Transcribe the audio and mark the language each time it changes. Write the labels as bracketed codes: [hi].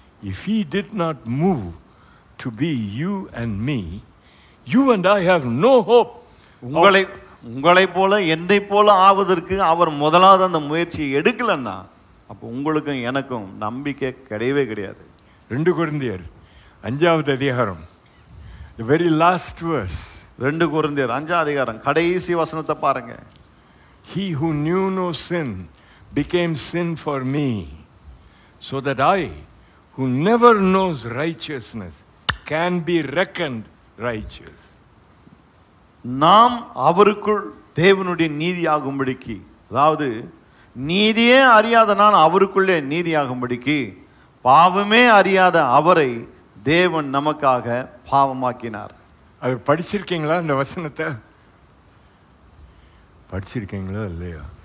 [en] If he did not move to be you and me, you and I have no hope. [ta] உங்களை போல என்னை போல ஆவதற்கு அவர் முதலாவது அந்த முயற்சியை எடுக்கலைன்னா அப்போ உங்களுக்கும் எனக்கும் நம்பிக்கை கிடையவே கிடையாது. ரெண்டு கொரிந்தியர் 5வது அதிகாரம், [en] the very last verse. [ta] ரெண்டு கொரிந்தியர் 5வது அதிகாரம் கடைசி வசனத்தை பாருங்க. [en] He who knew no sin became sin for me, so that I, who never knows righteousness, can be reckoned righteous. [ta] நாம் அவருக்குள் தேவனுடைய நீதியாகும்படிக்கு, அதாவது நீதியே அறியாத நான் அவருக்குள்ளே நீதியாகும்படிக்கு, பாவமே அறியாத அவரை தேவன் நமக்காக பாவமாக்கினார். அது படிச்சிருக்கீங்களா? இந்த வசனத்தை படிச்சிருக்கீங்களா இல்லையா?